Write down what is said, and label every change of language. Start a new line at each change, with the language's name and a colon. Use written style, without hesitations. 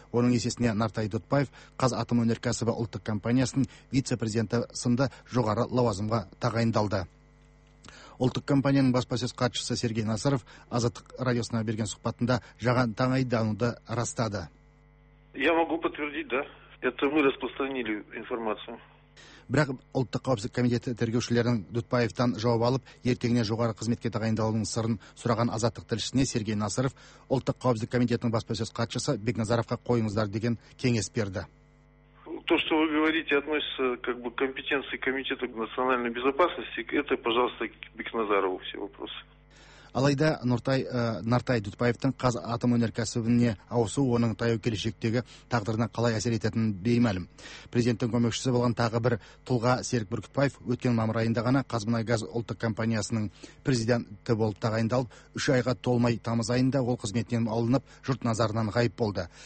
Kazakh: Оның есесіне Нартай Дүтбаев Қазатомөнеркәсібі ұлттық компаниясының вице-президенті сынды жоғары лауазымға тағайындалды. Ұлттық компанияның баспасөз хатшысы Сергей Насыров Азаттық радиосына берген сұхбатында жаған тағайындауды растады.
Russian: Я могу подтвердить, да. Это мы распространили информацию.
Kazakh: Бірақ ұлттық қауіпсіздік комитеті тергеушілерінің Дүтбаевтан жауап алып, ертеңіне жоғары қызметке тағайындалуының сырын сұраған Азаттық тілшісіне Сергей Насыров ұлттық қауіпсіздік комитетінің баспасөз хатшысы Бекназаровқа қойыңыздар деген кеңес берді.
Russian: То, что вы говорите, относится как бы к компетенции комитета национальной безопасности, это, пожалуйста, к Бекназарову все вопросы.
Kazakh: Алайда Нартай Дүтбаевтың Қазатомөнеркәсібіне ауысу оның таяу келешектегі тағдырына қалай әсер ететінін беймәлім. Президенттің көмекшісі болған тағы бір тұлға Серік Бүркітбаев өткен мамыр айында ғана Қазмұнайгаз ұлттық компаниясының президенті болып тағайындалып, үш айға толмай тамыз айында ол қызметінен алынып, жұрт назарынан ғайып болды.